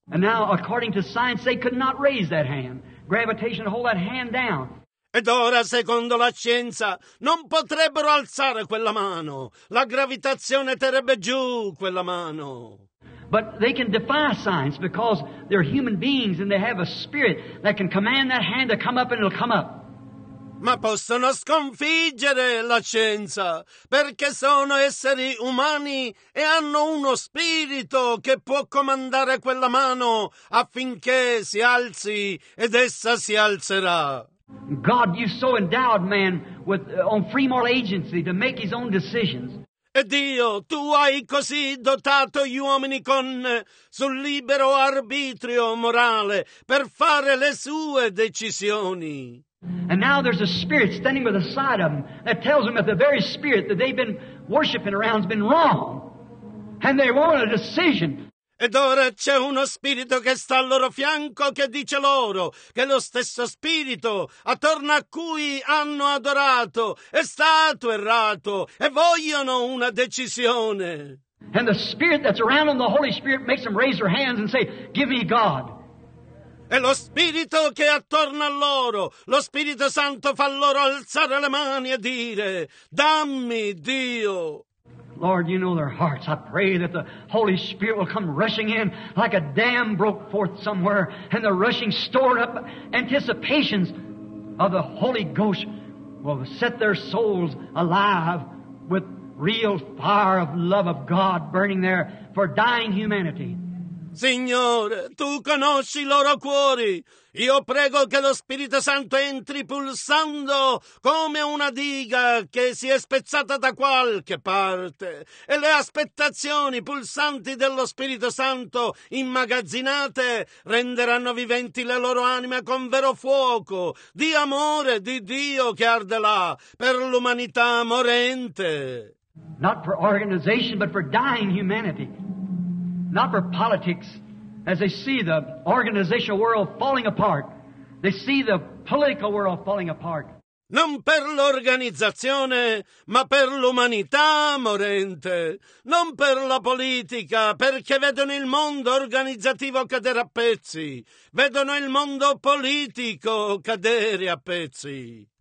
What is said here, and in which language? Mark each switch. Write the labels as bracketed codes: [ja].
[en] And now, according to science, they could not raise that hand. Gravitation would hold that hand down. [it] Ed ora, secondo la scienza, non potrebbero alzare quella mano. La gravitazione terrebbe giù quella mano. [en] But they can defy science because they're human beings and they have a spirit that can command that hand to come up and it'll come up. [it] Ma possono sconfiggere la scienza perché sono esseri umani e hanno uno spirito che può comandare quella mano affinché si alzi ed essa si alzerà. [en] God, you so endowed man with on free moral agency to make his own decisions. [it] E Dio, tu hai così dotato gli uomini con sul libero arbitrio morale per fare le sue decisioni. [en] And now there's a spirit standing by the side of them that tells them that the very spirit that they've been worshiping around has been wrong. And they want a decision. [it] Ed ora c'è uno spirito che sta al loro fianco che dice loro che lo stesso spirito attorno a cui hanno adorato è stato errato e vogliono una decisione. [en] And the spirit that's around them, the Holy Spirit, makes them raise their hands and say, give me God. [it] E lo Spirito che è attorno a loro, lo Spirito Santo fa loro alzare le mani e dire, dammi Dio. [en] Lord, you know their hearts. I pray that the Holy Spirit will come rushing in like a dam broke forth somewhere and the rushing stored up anticipations of the Holy Ghost will set their souls alive with real fire of love of God burning there for dying humanity. [it] Signore, tu conosci i loro cuori. Io prego che lo Spirito Santo entri pulsando come una diga che si è spezzata da qualche parte e le aspettazioni pulsanti dello Spirito Santo immagazzinate renderanno viventi le loro anime con vero fuoco di amore di Dio che arde là per l'umanità morente. [en] Not for organization, but for dying humanity. Not for politics, as they see the organizational world falling apart. They see the political world falling apart. [it] Non per l'organizzazione, ma per l'umanità morente. Non per la politica, perché vedono il mondo organizzativo cadere a pezzi. Vedono il mondo politico cadere a pezzi.